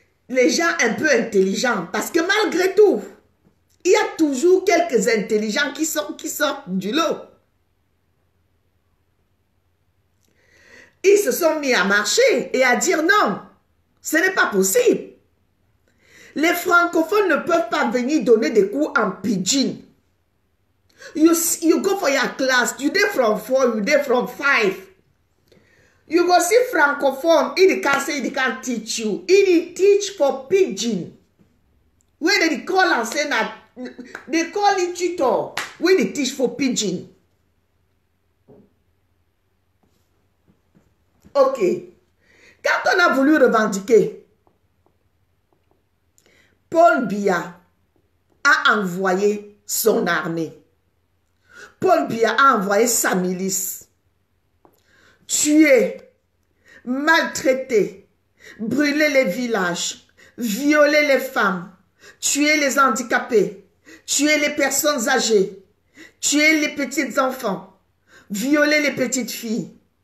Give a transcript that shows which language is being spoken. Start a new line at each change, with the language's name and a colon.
French: Les gens un peu intelligents, parce que malgré tout, il y a toujours quelques intelligents qui sortent du lot. Ils se sont mis à marcher et à dire non, ce n'est pas possible. Les francophones ne peuvent pas venir donner des cours en pidgin.
Cameroon Pidgin: You go for your class, you there from four, you there from five. You go see francophone, il can't say, il can't teach you. Il teach for pidgin. Where they call and say that, they call it tutor, where they teach for pidgin. OK.
French: Quand on a voulu revendiquer, Paul Biya a envoyé son armée. Paul Biya a envoyé sa milice. Tuer, maltraiter, brûler les villages, violer les femmes, tuer les handicapés, tuer les personnes âgées, tuer les petits enfants, violer les petites filles.